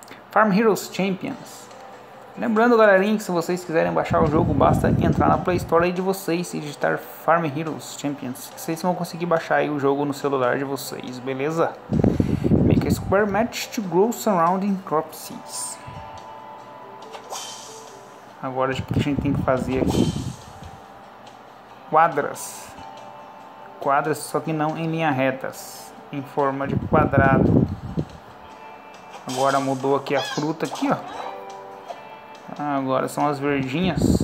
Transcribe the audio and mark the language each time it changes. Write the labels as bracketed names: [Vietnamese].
[Portuguese] Farm Heroes Champions. Lembrando, galerinha, que se vocês quiserem baixar o jogo, basta entrar na Play Store aí de vocês e digitar Farm Heroes Champions. Vocês vão conseguir baixar aí o jogo no celular de vocês, beleza? [English] Make a square match to grow surrounding crop seeds. [Portuguese] Agora, tipo, o que a gente tem que fazer aqui? Quadras. Quadras, só que não em linha retas, em forma de quadrado. Agora mudou aqui a fruta aqui, ó. Agora são as verdinhas.